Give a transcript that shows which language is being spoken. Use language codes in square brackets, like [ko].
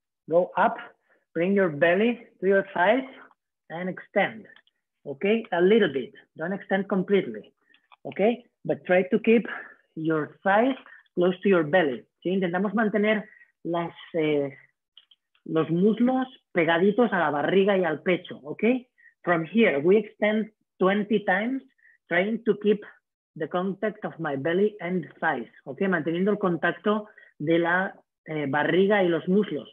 [en] Go up, bring your belly to your thighs and extend. Okay, a little bit. Don't extend completely. Okay, but try to keep your thighs close to your belly. [es] ¿Sí? Intentamos mantener los muslos pegaditos a la barriga y al pecho. [en] Okay? From here, we extend 20 times, trying to keep the contact of my belly and thighs. Okay? [es] Manteniendo el contacto de la barriga y los muslos.